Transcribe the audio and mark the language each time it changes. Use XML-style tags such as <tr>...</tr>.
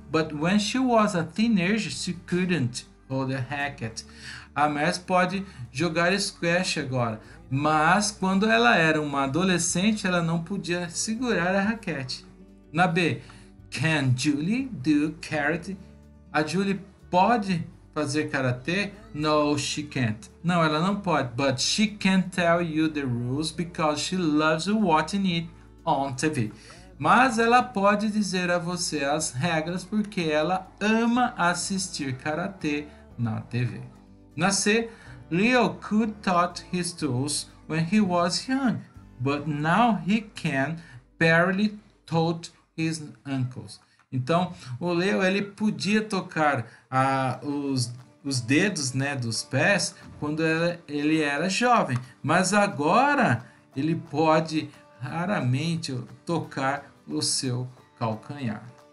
<en>But when she was a teenager, she couldn't hold a racket.</en> <pt>A Mers pode jogar squash agora, mas quando ela era uma adolescente, ela não podia segurar a raquete. Na B,</pt> <en>can Julie do karate?</en> <pt>A Julie pode fazer karatê?</pt> <en>No, she can't.</en> <pt>Não, ela não pode.</pt> <en>But she can't tell you the rules because she loves watching it on TV.</en> <pt>Mas ela pode dizer a você as regras porque ela ama assistir karatê na TV. Na C,</pt> <en>Leo could touch his toes when he was young, but now he can barely touch his ankles.</en> <pt>Então, o Leo ele podia tocar os dedos, né, dos pés quando ele era jovem, mas agora ele pode raramente tocar o seu calcanhar.</pt>